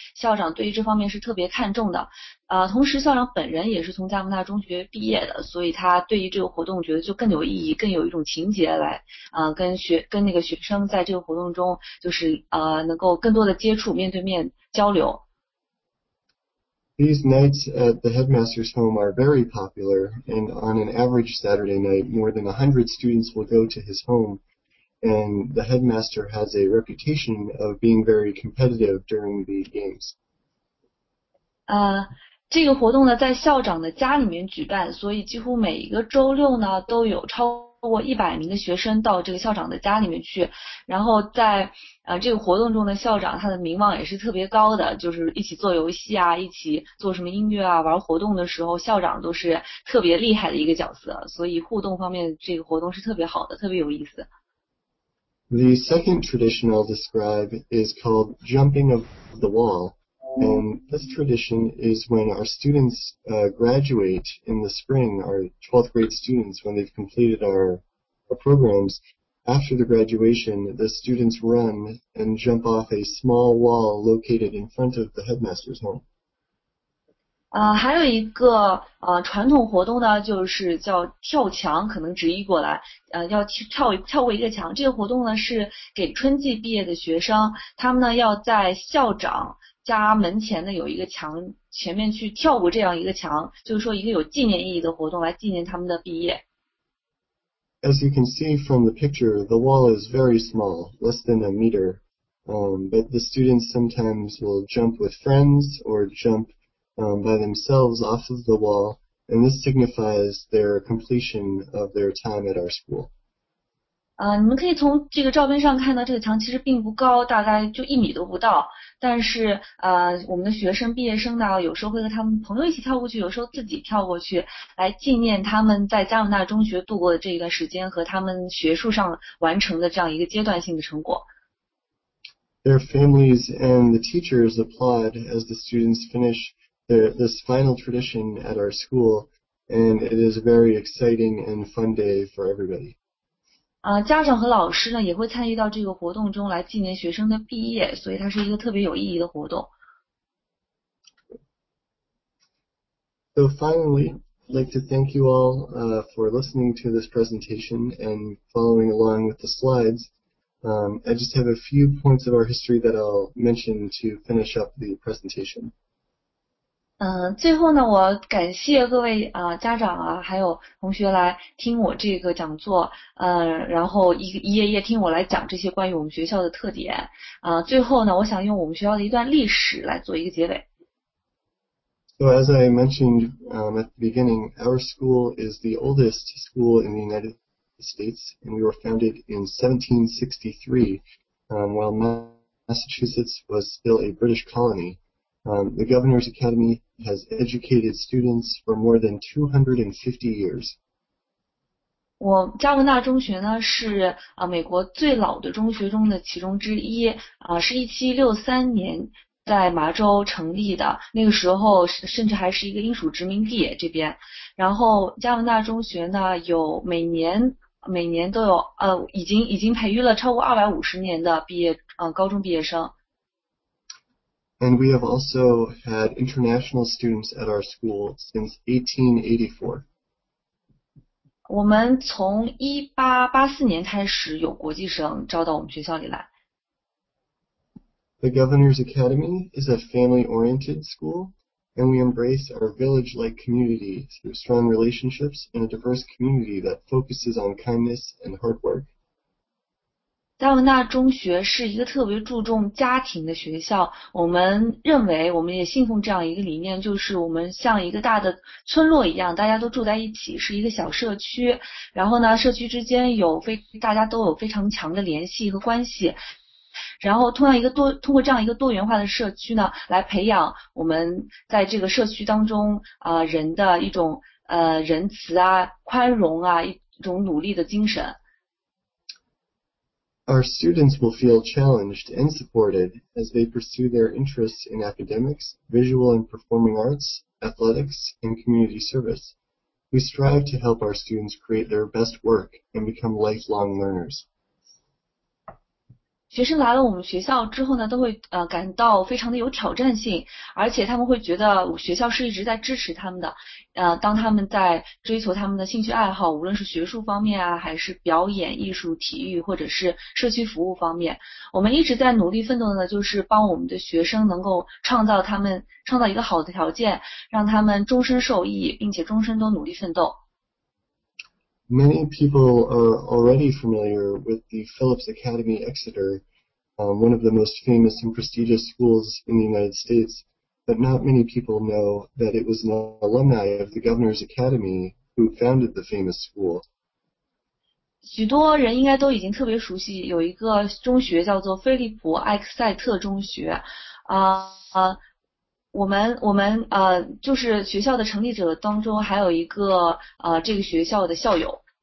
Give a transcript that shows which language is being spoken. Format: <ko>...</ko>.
<zh>校长对于这方面是特别看重的。同时校长本人也是从加文纳中学毕业的，所以他对于这个活动觉得就更有意义，更有一种情节来跟那个学生在这个活动中就是能够更多的接触，面对面交流。</zh> <en>These nights at the headmaster's home are very popular, and on an average Saturday night, more than 100 students will go to his home, and the headmaster has a reputation of being very competitive during the games.</en> <zh>这个活动呢在校长的家里面举办，所以几乎每一个周六呢都有超过100名的学生到这个校长的家里面去。然后在这个活动中的校长他的名望也是特别高的，就是一起做游戏啊，一起做什么音乐啊，玩活动的时候校长都是特别厉害的一个角色，所以互动方面这个活动是特别好的，特别有意思。</zh> <en>The second tradition I'll describe is called jumping of the wall, and this tradition is when our students graduate in the spring, our 12th grade students, when they've completed our programs. After the graduation, the students run and jump off a small wall located in front of the headmaster's home.</en> <zh>还有一个传统活动呢，就是叫跳墙，可能直译过来，要跳过一个墙。这个活动呢是给春季毕业的学生，他们呢要在校长家门前呢有一个墙前面去跳过这样一个墙，就是说一个有纪念意义的活动来纪念他们的毕业。</zh> <en>As you can see from the picture, the wall is very small, less than a meter, but the students sometimes will jump with friends or jump by themselves off of the wall, and this signifies their completion of their time at our school.</en> <zh>你们可以从这个照片上看到这个墙其实并不高，大概就一米都不到，但是我们的学生毕业生呢有时候会和他们朋友一起跳过去，有时候自己跳过去，来纪念他们在加文纳中学度过的这一段时间和他们学术上完成的这样一个阶段性的成果。</zh> <en>Their families and the teachers applaud as the students finish this final tradition at our school, and it is a very exciting and fun day for everybody.</en> <zh>家长和老师呢也会参与到这个活动中来纪念学生的毕业，所以它是一个特别有意义的活动。</zh> <en>So finally, I'd like to thank you all for listening to this presentation and following along with the slides. I just have a few points of our history that I'll mention to finish up the presentation.</en> <zh>最后呢，我感谢各位家长啊，还有同学来听我这个讲座，然后一页页听我来讲这些关于我们学校的特点。最后呢，我想用我们学校的一段历史来做一个结尾。</zh> <en>So as I mentioned at the beginning, our school is the oldest school in the United States, and we were founded in 1763, while Massachusetts was still a British colony. The Governor's Academy has educated students for more than 250 years.</en> <zh>我加文纳中学呢是美国最老的中学中的其中之一，是1763年在麻州成立的，那个时候甚至还是一个英属殖民地这边。然后加文纳中学呢有每年都有已经培育了超过250年的毕业高中毕业生。</zh> <en>And we have also had international students at our school since 1884.</en> <zh>我们从1884年开始有国际生招到我们学校里来。</zh> <en>The Governor's Academy is a family-oriented school, and we embrace our village-like community through strong relationships and a diverse community that focuses on kindness and hard work.</en> <zh>加文纳中学是一个特别注重家庭的学校，我们认为我们也信奉这样一个理念，就是我们像一个大的村落一样，大家都住在一起，是一个小社区，然后呢社区之间大家都有非常强的联系和关系，然后通过这样一个多元化的社区呢，来培养我们在这个社区当中人的一种仁慈啊、宽容啊一种努力的精神。</zh> <en>Our students will feel challenged and supported as they pursue their interests in academics, visual and performing arts, athletics, and community service. We strive to help our students create their best work and become lifelong learners.</en> <zh>学生来了我们学校之后呢，都会感到非常的有挑战性，而且他们会觉得我学校是一直在支持他们的。当他们在追求他们的兴趣爱好，无论是学术方面啊，还是表演、艺术、体育，或者是社区服务方面，我们一直在努力奋斗的，就是帮我们的学生能够创造一个好的条件，让他们终身受益，并且终身都努力奋斗。</zh> <en>Many people are already familiar with the Phillips Academy Exeter, one of the most famous and prestigious schools in the United States, but not many people know that it was an alumni of the Governor's Academy who founded the famous school.</en> <zh>许多人应该都已经特别熟悉，有一个中学叫做菲利普·埃克塞特中学，我们就是学校的成立者当中还有一个这个学校的校友。</zh>